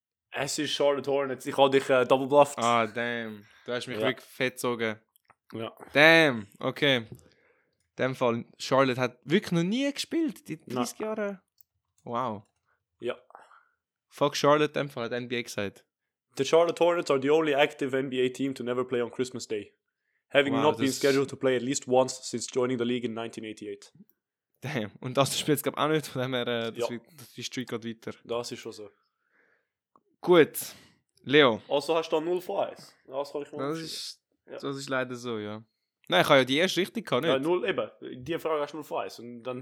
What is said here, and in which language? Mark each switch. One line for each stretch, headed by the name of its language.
German: Es ist Charlotte Hornets. Ich habe dich double bluffed. Ah, damn. Du hast mich wirklich fett gezogen. Ja.
English: Damn, okay.
German: In dem Fall, Charlotte hat wirklich noch nie gespielt, die 30 Jahre. Wow. Ja. Fuck Charlotte, in dem Fall, hat NBA gesagt.
English: The Charlotte Hornets are the only active NBA team to never play on Christmas Day. Having not been scheduled to play at least once since joining the league in 1988. Damn.
German: Und das spielt es, glaube ich, auch nicht. Von dem her, die Streak geht weiter. Das ist schon so. Gut, Leo. Also hast du da 0 von 1. Das ist leider so, ja. Nein, ich habe ja die erste richtig gehabt, nicht? Ja, null, eben. Die Frage hast du 0-1 und dann